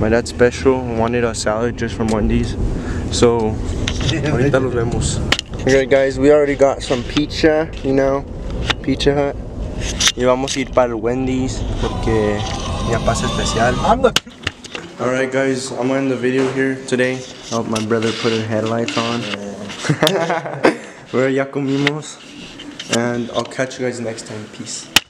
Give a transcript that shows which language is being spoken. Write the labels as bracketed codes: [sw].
[en] My dad's special wanted a salad just from Wendy's. [es] So, ahorita los vemos. [en] Alright, guys, we already got some pizza, you know, Pizza Hut. [es] Y vamos a ir para el Wendy's porque ya pasa especial. [en] Alright, guys, I'm gonna end the video here today. Oh, my brother put his headlights on. Yeah. [es] Ya comimos, [en] and I'll catch you guys next time. Peace.